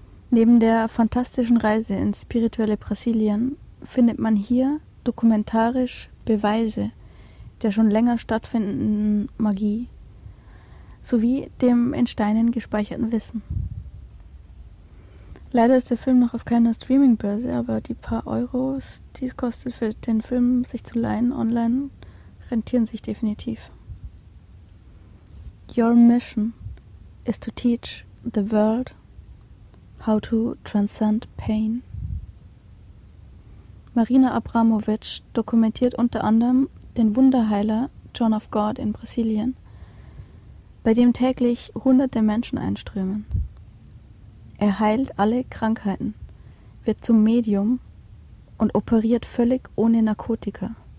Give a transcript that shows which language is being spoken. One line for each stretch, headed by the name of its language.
German: Neben der fantastischen Reise ins spirituelle Brasilien findet man hier dokumentarisch Beweise der schon länger stattfindenden Magie sowie dem in Steinen gespeicherten Wissen. Leider ist der Film noch auf keiner Streamingbörse, aber die paar Euros, die es kostet, für den Film sich zu leihen online, rentieren sich definitiv.
English: Your mission is to teach the world how to transcend pain.
German: Marina Abramovic dokumentiert unter anderem den Wunderheiler John of God in Brasilien, bei dem täglich hunderte Menschen einströmen. Er heilt alle Krankheiten, wird zum Medium und operiert völlig ohne Narkotika.